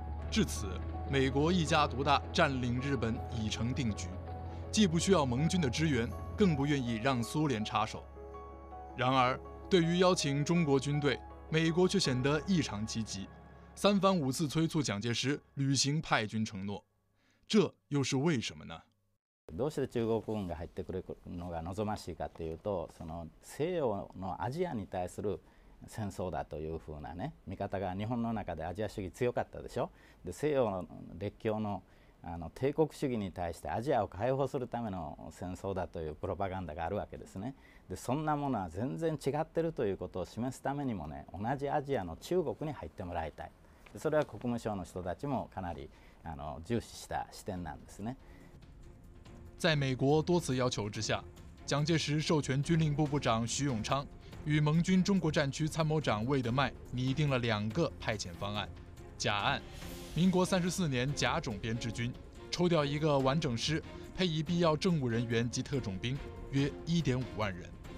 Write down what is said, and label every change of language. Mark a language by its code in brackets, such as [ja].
[zh] 至此，美国一家独大占领日本已成定局，既不需要盟军的支援，更不愿意让苏联插手。然而，对于邀请中国军队，美国却显得异常积极，三番五次催促蒋介石履行派军承诺，这又是为什么呢？ [ja] どうして中国軍が入ってくるのが望ましいかというと、その西洋のアジアに対する戦争だというふうなね、見方が日本の中でアジア主義強かったでしょ。で、西洋の列強の、あの帝国主義に対してアジアを解放するための戦争だというプロパガンダがあるわけですね。で、そんなものは全然違ってるということを示すためにもね、同じアジアの中国に入ってもらいたい。で、それは国務省の人たちもかなり重視した視点なんですね。 [zh] 在美国多次要求之下，蒋介石授权军令部部长徐永昌与盟军中国战区参谋长魏德迈拟定了两个派遣方案。甲案，民国34年甲种编制军，抽调一个完整师，配以必要政务人员及特种兵，约1.5万人。